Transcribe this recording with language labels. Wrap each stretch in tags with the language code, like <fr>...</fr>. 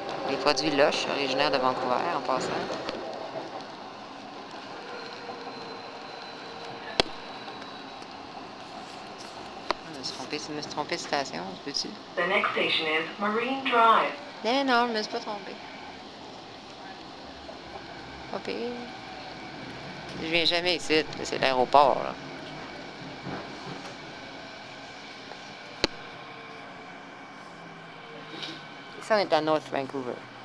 <fr>Les produits Lush, originaires de Vancouver, en passant. Je me suis trompée de station, peux-tu?</fr> <en>The next station is Marine Drive.</en> <fr>Non, non, je ne me suis pas trompée. Pas pire. Je ne viens jamais ici, c'est l'aéroport. Là. Ici, on est à North Vancouver.</fr>